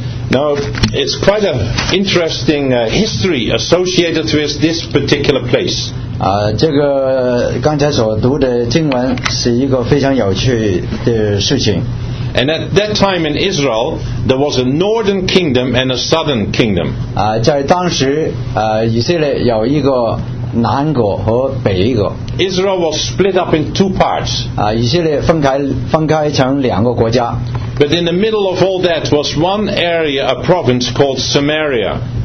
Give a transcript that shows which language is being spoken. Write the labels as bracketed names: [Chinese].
[English] Now, it's quite an interesting history associated with this particular place. [Chinese] 这个刚才所读的经文是一个非常有趣的事情。 [English] And at that time in Israel, there was a northern kingdom and a southern kingdom. [Chinese] 在当时以色列有一个 [English] Israel was split up in two parts. [Chinese] 以色列分开成两个国家。 [English] But in the middle of all that was one area, a province called Samaria.